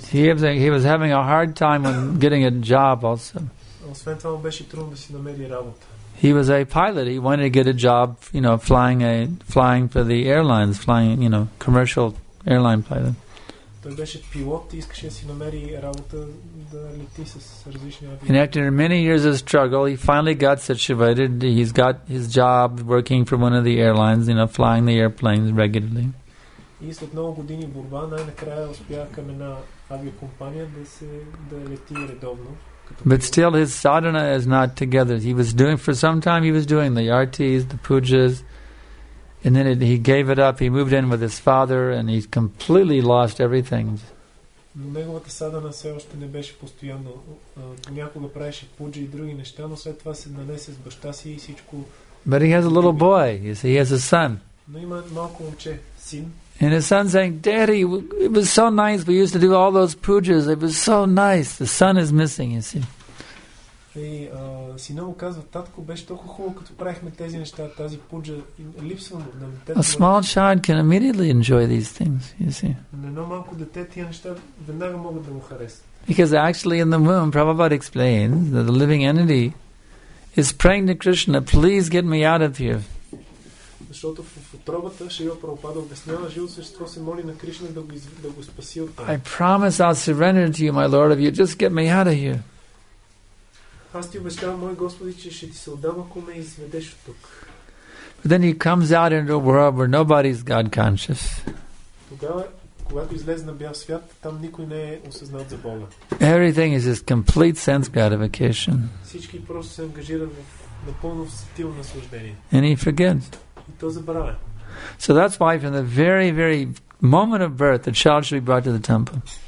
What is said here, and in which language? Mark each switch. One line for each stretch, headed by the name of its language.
English: He was having a hard time when getting a job also.
Bulgarian: Освен това беше трудно да си намери работа.
English: He was a pilot. He wanted to get a job, you know, flying for the airlines, flying, you know, commercial airline pilot.
Bulgarian: Той беше пилот и искаше да си намери работа да лети с различни авиони.
English: And after many years of struggle, he finally got situated. He's got his job working for one of the airlines, you know, flying the airplanes regularly.
Bulgarian: И след много години борба, най-накрая успя към една авиокомпания да лети редовно.
English: But still his sadhana is not together. For some time he was doing the artis, the pujas, and then he gave it up. He moved in with his father and he completely lost everything.
Bulgarian: Но неговата садана все още не беше постоянно. Понякога правеше пуджи и други неща, но след това се нанесе с баща си и всичко.
English: But he has a little boy. You see, he has a son.
Bulgarian: Но има малко момче, син.
English: And his son saying, Daddy, it was so nice. We used to do all those pujas. It was so nice. The son is missing, you see.
Bulgarian: Hey, сина му казва, татко, беше толкова хубаво, като правихме тези неща, тази пуджа, липсва му.
English: A small child can immediately enjoy these things, you see.
Bulgarian: На едно малко дете тия неща веднага могат да му харесат.
English: Because actually in the womb, Prabhupada explains that the living entity is praying to Krishna, please get me out of here.
Bulgarian: Защото в утробата Шрила Прабхупада обяснява, живото същество се моли на Кришна да го спаси от
English: там. I promise I'll surrender to you, my Lord, if you just get me out of here.
Bulgarian: Аз ти обещавам, мой Господи, че ще ти се отдам, ако ме изведеш от тук.
English: But then he comes out into a world where nobody's God conscious.
Bulgarian: Тогава, когато излезе на бял свят, там никой не е осъзнат за Бога.
English: Everything is his complete sense gratification.
Bulgarian: Всички просто се ангажират в напълно сетило наслаждение.
English: And he forgets. So that's why from the very, very moment of birth the child should be brought to the temple.